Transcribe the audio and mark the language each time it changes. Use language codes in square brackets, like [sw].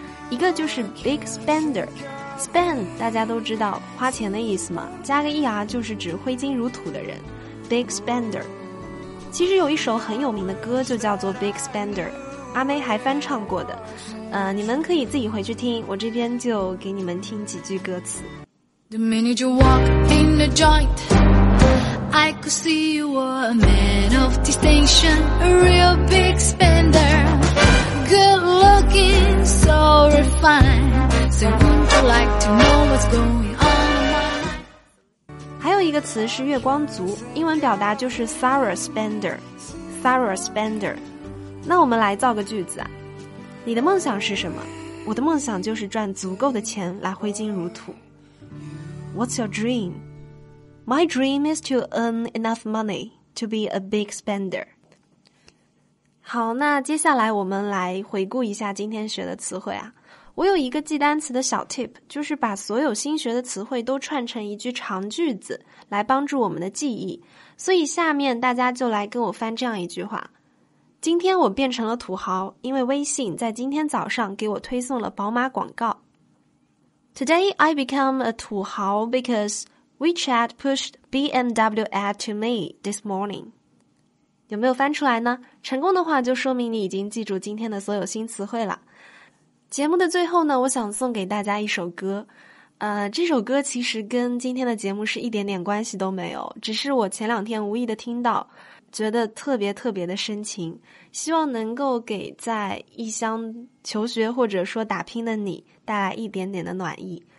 [zh] 一个就是 big spender， spend 大家都知道花钱的意思嘛，加个 er 就是指挥金如土的人， big spender。其实有一首很有名的歌就叫做 big spender，阿妹还翻唱过的，你们可以自己回去听，我这边就给你们听几句歌词。 [en] The minute you walk in the joint, I could see you were a man of distinction, a real big spender, good looking, so refined, so wouldn't you like to know what's going on? [zh] 还有一个词是月光族，英文表达就是 thorough spender, thorough spender。那我们来造个句子啊，你的梦想是什么？我的梦想就是赚足够的钱来挥金如土。 [en] What's your dream? My dream is to earn enough money to be a big spender. [zh] 好，那接下来我们来回顾一下今天学的词汇啊。我有一个记单词的小 tip， 就是把所有新学的词汇都串成一句长句子来帮助我们的记忆。所以下面大家就来跟我翻这样一句话，今天我变成了土豪，因为微信在今天早上给我推送了宝马广告。 [en] Today I become a 土豪 because WeChat pushed BMW ad to me this morning. [zh] 有没有翻出来呢？成功的话就说明你已经记住今天的所有新词汇了。节目的最后呢，我想送给大家一首歌。这首歌其实跟今天的节目是一点点关系都没有，只是我前两天无意的听到，觉得特别特别的深情，希望能够给在异乡求学或者说打拼的你带来一点点的暖意。